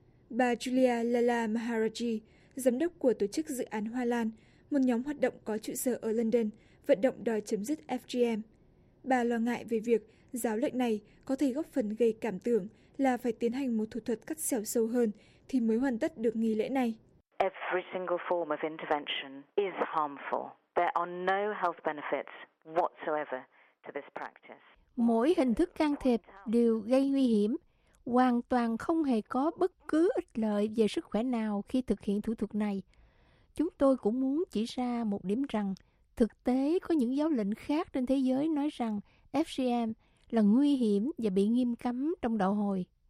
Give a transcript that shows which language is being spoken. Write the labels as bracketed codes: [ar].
[vi] Bà Julia Lala Maharaji, giám đốc của tổ chức Dự án Hoa Lan, một nhóm hoạt động có trụ sở ở London, vận động đòi chấm dứt FGM. Bà lo ngại về việc Giáo lệnh này có thể góp phần gây cảm tưởng là phải tiến hành một thủ thuật cắt xẻo sâu hơn thì mới hoàn tất được nghi lễ này. [en] Every single form of intervention is harmful. There are no health benefits whatsoever to this practice. [vi] Mỗi hình thức can thiệp đều gây nguy hiểm, hoàn toàn không hề có bất cứ ích lợi về sức khỏe nào khi thực hiện thủ thuật này. Chúng tôi cũng muốn chỉ ra một điểm rằng, thực tế có những giáo lệnh khác trên thế giới nói rằng FGM là nguy hiểm và bị nghiêm cấm trong đạo Hồi.